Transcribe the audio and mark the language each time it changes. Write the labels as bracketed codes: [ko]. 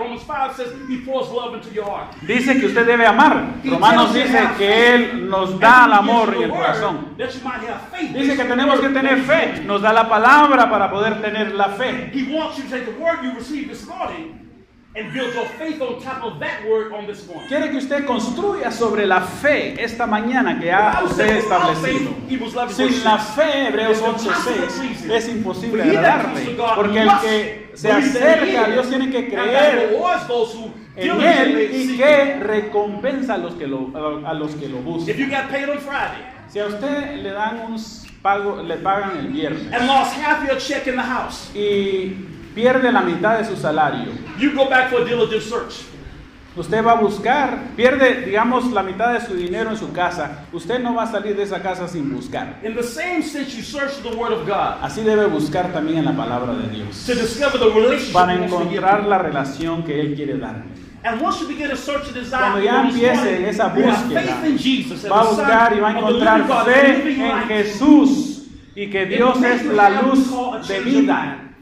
[en] Romans 5 says he pours love into your heart. [es] Dice que usted debe amar. Romanos dice que él nos da el amor y el corazón. Dice que tenemos que tener fe. Nos da la palabra para poder tener la fe. [en] He wants you to take the word you received this morning and build your faith on top of that word on this morning. [es] Quiere que usted construya sobre la fe esta mañana que ha usted establecido. Sin la fe, Hebreos 8:6, es imposible agradarle. Porque el que se acerca a Dios tiene que creer en Él y que recompensa a los que lo buscan. Si a usted le dan le pagan el viernes. [en] And lost half your check in the house. [es] Y pierde la mitad de su salario. [en] You go back for a diligent search. [es] Usted va a buscar, pierde, digamos, la mitad de su dinero en su casa. Usted no va a salir de esa casa sin buscar. [en] In the same sense, you search the word of God. [es] Así debe buscar también en la palabra de Dios. [en] To discover the relationship. [es] Para encontrar la relación que Él quiere darme. [en] And once you begin to search the desire, [es] cuando ya empiece en esa búsqueda, [en] you have faith in Jesus, [es] va a buscar y va a encontrar fe en Jesús y que Dios es la luz de vida.